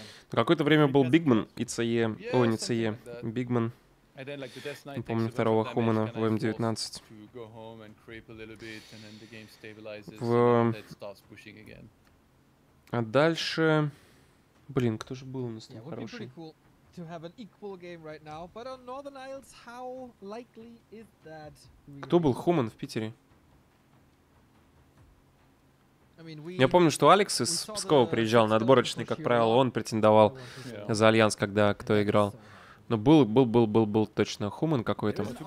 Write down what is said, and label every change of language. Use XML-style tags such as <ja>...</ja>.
<ru>Какое-то время был Бигман и ЦЕ. О, не ЦЕ. Бигман. Не помню второго Хумана в М19. А дальше... Блин, кто же был у нас там хороший?</ru> <en>To have an equal game right now, but on Northern Isles, how likely is that?</en> <ru>Кто был Хуман в Питере? Я помню, что Алекс из Пскова приезжал на отборочный, как правило, он претендовал за Альянс, когда кто играл. Но был точно Хуман какой-то.</ru>